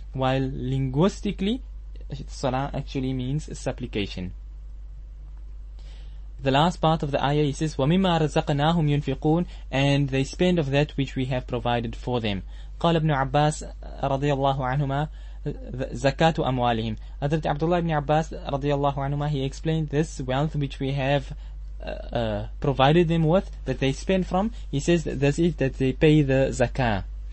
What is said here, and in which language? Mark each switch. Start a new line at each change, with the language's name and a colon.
English: While linguistically, salah actually means supplication. The last part of the ayah, he says,
Arabic: وَمِمَّا رَزَقْنَاهُمْ يُنْفِقُونَ,
English: and they spend of that which we have provided for them.
Arabic: قال ابن عباس رضي الله عنهما, زكاه اموالهم.
English: حضرت عبد الله بن عباس رضي الله عنهما, he explained this wealth which we have provided them with, that they spend from, he says this is that they pay the zakah.